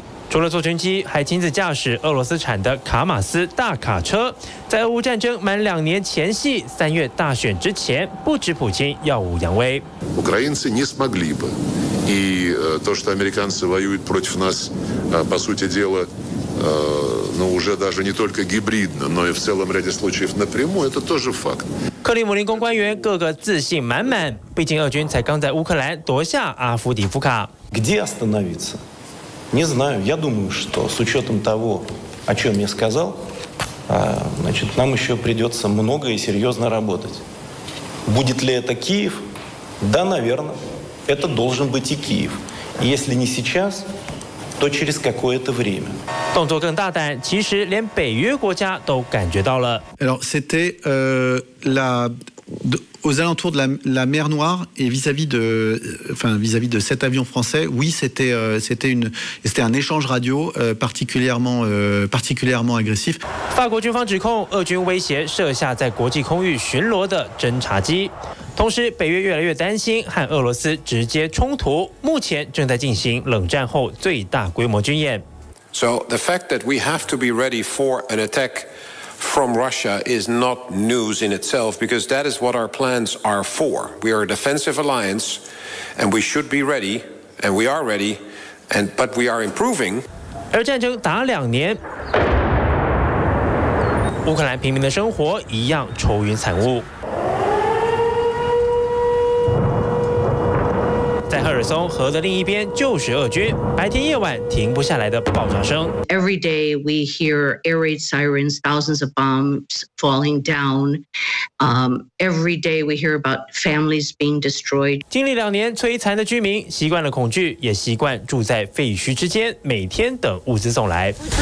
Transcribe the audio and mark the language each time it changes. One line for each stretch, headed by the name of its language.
Chinese: 除了坐军机，还亲自驾驶俄罗斯产的卡马斯大卡车。在俄乌战争满两年前夕，三月大选之前，不止普京耀武扬威。
Russian: Украинцы не смогли бы, и то, что американцы воюют против нас, по сути дела, ну уже даже не только гибридно, но и в целом ряде случаев напрямую, это тоже факт.
Chinese: 克里姆林宫官员个个自信满满，毕竟俄军才刚在乌克兰夺下阿夫迪夫卡。
Russian: Где остановиться? Не знаю. Я думаю, что с учетом того, о чем я сказал, значит, нам еще придется много и серьезно работать. Будет ли это Киев? Да, наверное. Это должен быть и Киев. Если не сейчас, то через какое-то время.
Chinese: 动作更大胆，其实连北约国家都感觉到了。
French: Alors, c'était aux alentours de la mer Noire et vis-à-vis de cet avion français, oui, c'était un échange radio particulièrement agressif.
Chinese: 法国军方指控俄军威胁设下在国际空域巡逻的侦察机。同时，北约越来越担心和俄罗斯直接冲突，目前正在进行冷战后最大规模军演。
English: So the fact that we have to be ready for an attack. From Russia is not news in itself because that is what our plans are for. We are a defensive alliance and we should be ready and we are ready, and but we are improving.
Chinese: 而战争打两年，乌克兰平民的生活一样愁云惨雾。在赫尔松河的另一边就是俄军，白天夜晚停不下来的爆炸声。
English: Every day we hear air raid sirens, thousands of bombs falling down. Every day we hear about families being destroyed.
Chinese: 经历两年摧残的居民，习惯了恐惧，也习惯住在废墟之间，每天等物资送来。